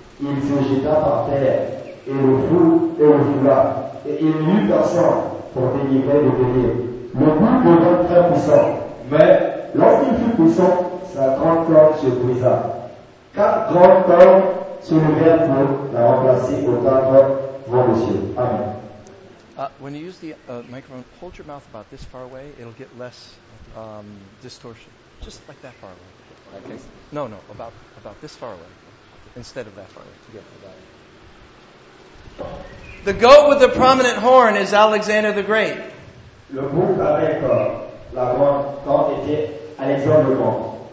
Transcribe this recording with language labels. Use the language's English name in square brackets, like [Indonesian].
[French] il se jeta par terre, et le fou et le foula, et il n'y eut personne pour délivrer le bélier. Le coup devint très puissant, mais lorsqu'il fut puissant, sa grande corne se brisa. Quatre grandes cornes se levèrent pour la remplacer au quatre grands monsieur. Amen. [English] When you use the microphone, hold your mouth about this far away, it'll get less distortion. Just like that far away. Okay. No, about this far away, instead of that far away. Yeah, the goat with the prominent horn is Alexander the Great. [French] Le bouc avec la grande corne était Alexandre le Grand.